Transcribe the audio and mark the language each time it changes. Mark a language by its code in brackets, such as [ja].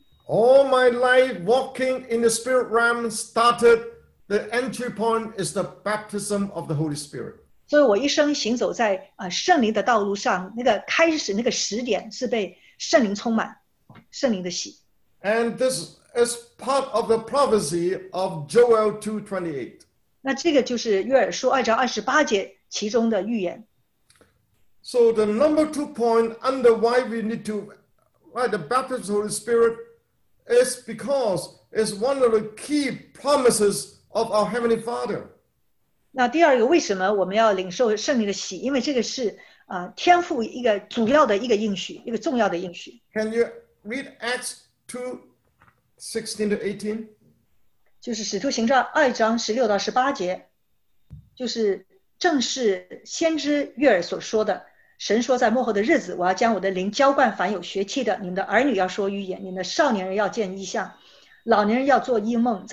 [en] All my life walking in the spirit realm started, the entry point is the baptism of the Holy Spirit. [zh] 所以我一生行走在圣灵的道路上，那个开始那个始点是被圣灵充满，圣灵的洗。 [en] And this is part of the prophecy of Joel 2:28. [zh] 那这个就是约珥书二章二十八节其中的预言。 [en] So the number two point under why we need to write the baptism of the Holy Spirit is because it's one of the key promises of our Heavenly Father. [zh] 那第二个为什么我们要领受圣灵的洗？因为这个是天父一个主要的一个应许，一个重要的应许。 [en] Can you read Acts 2:16-18? [zh] 就是使徒行传二章十六到十八节，就是正是先知约珥所说的，神说在末后的日子，我要将我的灵浇灌凡有血气的，你们的儿女要说预言，你们的少年人要见异象，老年人要做异梦。